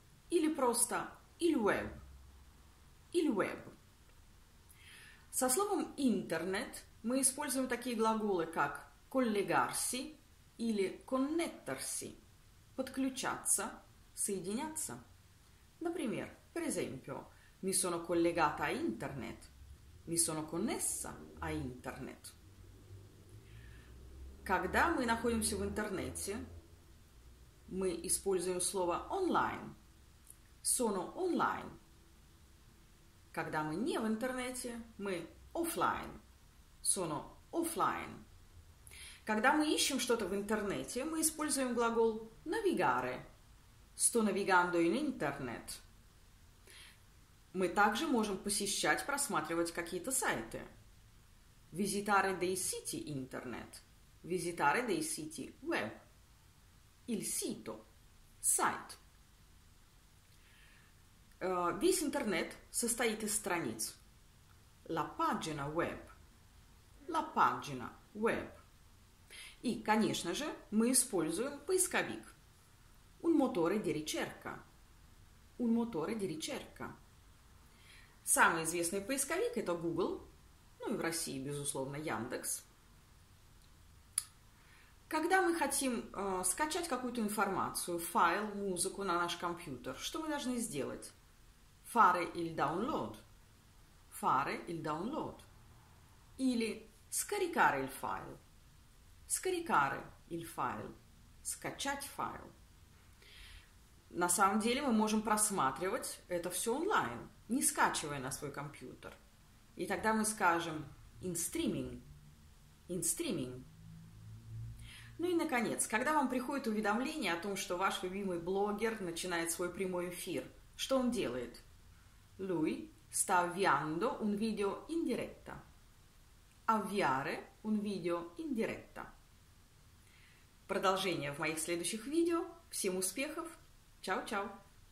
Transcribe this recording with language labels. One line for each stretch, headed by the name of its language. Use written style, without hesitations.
Russian: Или просто
Italian: il web. Il web.
Russian: Со словом интернет мы используем такие глаголы, как collegarsi или connettersi. Подключаться, соединяться.
Italian: Например, per esempio, Mi sono collegata a internet. Mi sono connessa a internet.
Russian: Когда мы находимся в интернете, мы используем слово online.
Italian: Sono online.
Russian: Когда мы не в интернете, мы offline.
Italian: Sono offline.
Russian: Когда мы ищем что-то в интернете, мы используем глагол navigare.
Italian: Sto navigando in internet.
Russian: Мы также можем посещать, просматривать какие-то сайты.
Italian: Visitare dei siti internet. Visitare dei siti web. Il sito.
Russian: Сайт. Весь интернет состоит из страниц.
Italian: La pagina web. La pagina web.
Russian: И, конечно же, мы используем поисковик.
Italian: Un motore di ricerca. Un motore di ricerca.
Russian: Самый известный поисковик – это Google, ну и в России, безусловно, Яндекс. Когда мы хотим скачать какую-то информацию, файл, музыку на наш компьютер, что мы должны сделать?
Italian: Fare il download. Fare il download. Или scaricare il file. Scaricare il file.
Russian: Скачать файл. На самом деле мы можем просматривать это все онлайн, не скачивая на свой компьютер. И тогда мы скажем «in streaming», «in streaming». Ну и, наконец, когда вам приходит уведомление о том, что ваш любимый блогер начинает свой прямой эфир, что он делает?
Italian: Lui sta avviando un video in diretta. Avviare un video in diretta.
Russian: Продолжение в моих следующих видео. Всем успехов! Чао-чао!